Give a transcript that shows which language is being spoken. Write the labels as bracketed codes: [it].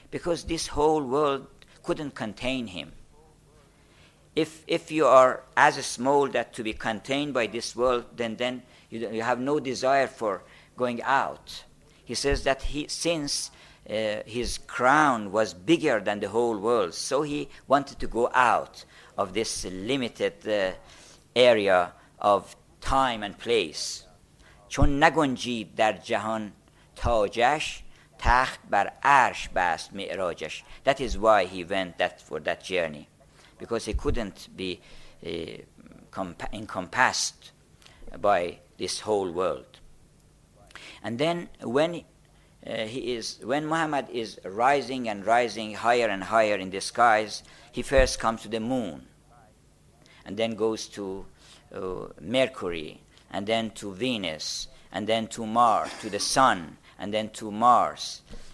[en] Because this whole world couldn't contain him. If you are as small that to be contained by this world, then you have no desire for going out. He says that since his crown was bigger than the whole world, so he wanted to go out of this limited area of time and place. [fa] چون نگنجید در جهان تاجش تخت بر عرش بست معراجش. [en] That is why he went for that journey, because he couldn't be encompassed by this whole world. And then when Muhammad is rising and rising higher and higher in the skies, he first comes to the moon, and then goes to Mercury, and then to Venus, and then to Mars, to the sun, and then to Mars.